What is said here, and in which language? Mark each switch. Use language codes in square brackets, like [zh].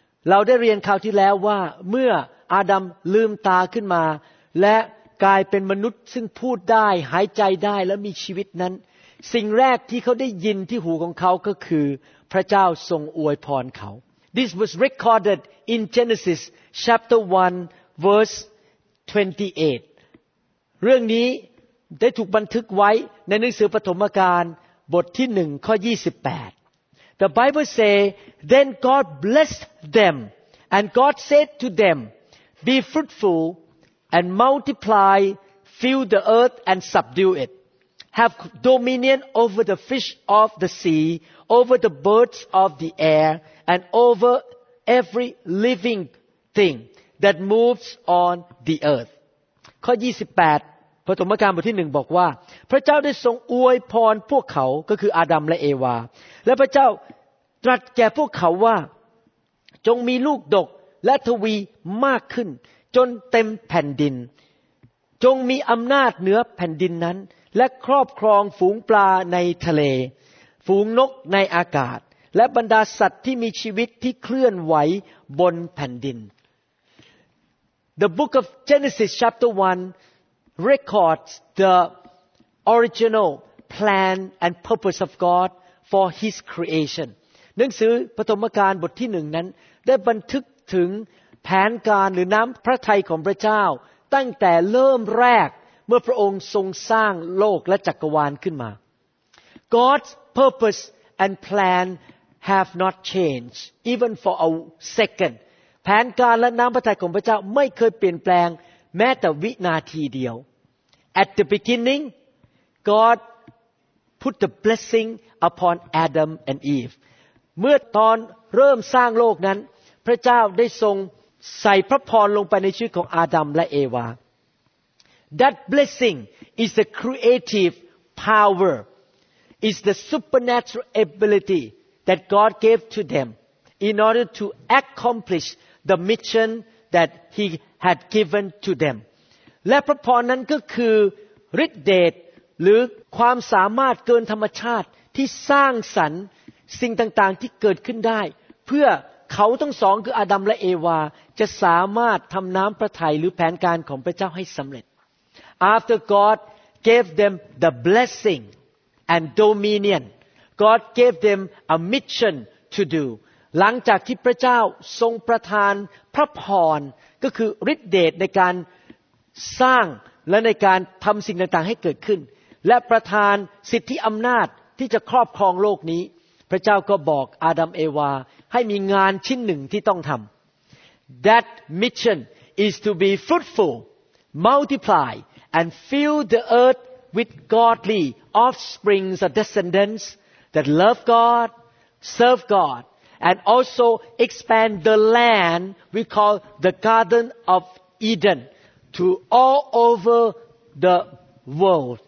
[th] เราได้เรียนคราวที่แล้วว่าเมื่ออาดัมลืมตาขึ้นมาและกลายเป็นมนุษย์ซึ่งพูดได้หายใจได้และมีชีวิตนั้นสิ่งแรกที่เขาได้ยินที่หูของเขาก็คือพระเจ้าทรงอวยพรเขา [en] This was recorded in Genesis chapter 1 verse 28. [th] เรื่องนี้ได้ถูกบันทึกไว้ในหนังสือปฐมกาลบทที่1ข้อ28 [en] The Bible say then God blessed them and God said to them be fruitful and multiply fill the earth and subdue it have dominion over the fish of the sea over the birds of the air and over every living thing that moves on the earth [th] ข้อ28พระธรรมกาลบทที่1บอกว่าพระเจ้าได้ทรงอวยพรพวกเขาก็คืออาดัมและเอวาและพระเจ้าตรัสแก่พวกเขาว่าจงมีลูกดกและทวีมากขึ้นจนเต็มแผ่นดินจงมีอำนาจเหนือแผ่นดินนั้นและครอบครองฝูงปลาในทะเลฝูงนกในอากาศและบรรดาสัตว์ที่มีชีวิตที่เคลื่อนไหวบนแผ่นดิน [en] The book of Genesis chapter 1 records the original plan and purpose of God for his creation. [th] หนังสือปฐมกาลบทที่1นั้นได้บันทึกถึงแผนการหรือน้ำพระทัยของพระเจ้าตั้งแต่เริ่มแรกเมื่อพระองค์ทรงสร้างโลกและจักรวาลขึ้นมา [en] God's purpose and plan have not changed even for a second. [th] แผนการและน้ำพระทัยของพระเจ้าไม่เคยเปลี่ยนแปลงแม้แต่วินาทีเดียว [en] At the beginning God put the blessing upon Adam and Eve [th] เมื่อตอนเริ่มสร้างโลกนั้นพระเจ้าได้ทรงใส่พระพรลงไปในชีวิตของอาดัมและเอวา [en] That blessing is the creative power is the supernatural ability that God gave to themin order to accomplish the mission that he had given to them [th] และพระพรนั้นก็คือฤทธิ์เดชหรือความสามารถเกินธรรมชาติที่สร้างสรรค์สิ่งต่างๆที่เกิดขึ้นได้เพื่อเขาทั้งสองคืออาดัมและเอวาจะสามารถทำน้ำพระทัยหรือแผนการของพระเจ้าให้สำเร็จ [en] After God gave them the blessing and dominion God gave them a mission to do [th] หลังจากที่พระเจ้าทรงประทานพระพรก็คือฤทธิ์เดชในการสร้างและในการทำสิ่งต่างๆให้เกิดขึ้นและประทานสิทธิอำนาจที่จะครอบครองโลกนี้ พระเจ้าก็บอกอาดัมเอวาให้มีงานชิ้นหนึ่งที่ต้องทำ [en] That mission is to be fruitful, multiply, and fill the earth with godly offsprings or descendants that love God, serve God, and also expand the land we call the Garden of Eden to all over the world.